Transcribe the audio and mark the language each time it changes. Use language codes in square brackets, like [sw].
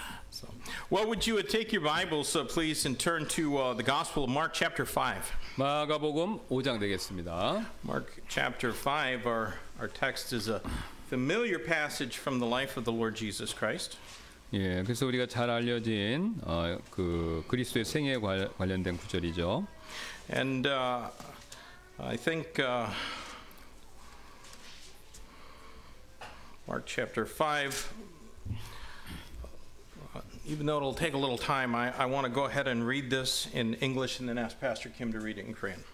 [en] So, well, would you take your Bibles, please, and turn to the Gospel of Mark, chapter 5. [ko] 마가복음 5장 되겠습니다. [en] Mark chapter 5. Our text is a familiar passage from the life of the Lord Jesus Christ. [ko] 예, 그래서 우리가 잘 알려진 그 그리스도의 생애 관련된 구절이죠. [en] And I think Mark chapter 5, even though it'll take a little time, I want to go ahead and read this in English and then ask Pastor Kim to read it in Korean.